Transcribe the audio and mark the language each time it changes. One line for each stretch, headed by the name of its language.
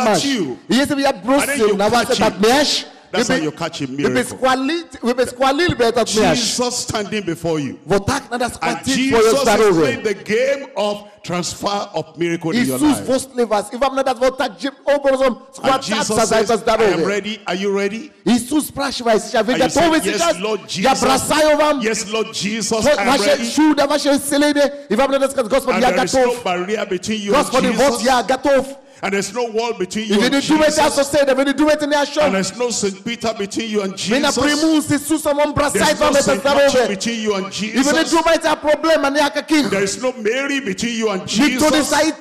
English: at you. And then you catch it. That's how you catch a miracle. Jesus standing before you. And Jesus has played the game of transfer of miracle in your life. And Jesus says, I am ready. Are you ready?
Russian: Иисус спрашивает сейчас, вы готовы сейчас? Я бросаю вам
English: yes, Lord Jesus,
Russian: ваше чудо, ваше исцеление. И вам надо сказать, Господи, я готов. Господи, вот я готов.
English: And there's no wall between you and Jesus. And there's no St. Peter between you and Jesus. There's no St. Matthew between you and Jesus. There is no Mary between you and Jesus.